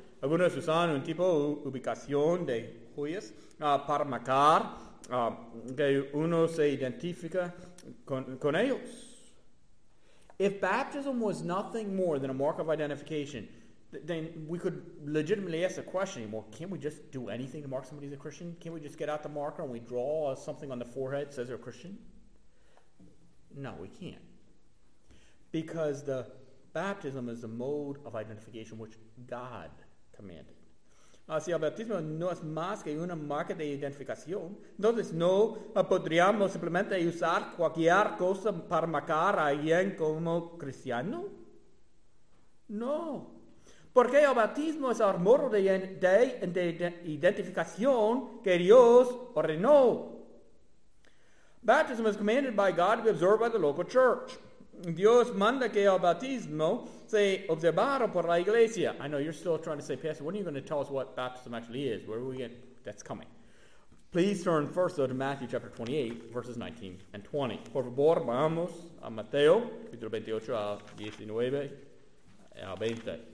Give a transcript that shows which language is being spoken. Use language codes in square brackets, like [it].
[es] Algunos usan un tipo de ubicación de joyas para marcar que uno se identifica con ellos. [en] If baptism was nothing more than a mark of identification, then we could legitimately ask the question, well, can't we just do anything to mark somebody as a Christian? Can't we just get out the marker and we draw something on the forehead that says they're a Christian? No, we can't. Because the baptism is the mode of identification which God commanded. [es] Si el bautismo no es más que una marca de identificación, entonces no podríamos simplemente usar cualquier cosa para marcar a alguien como cristiano. No. Porque el bautismo es el modo de identificación que Dios ordenó. [en] Baptism is commanded by God to be observed by the local church. [es] Dios manda que el bautismo se observara por la iglesia. [en] I know you're still trying to say, Pastor, when are you going to tell us what baptism actually is? Where are we getting? That's coming. Please turn first, though, to Matthew chapter 28, verses 19 and 20. [es] Por favor, vamos a Mateo, capítulo 28, al 19, al 20.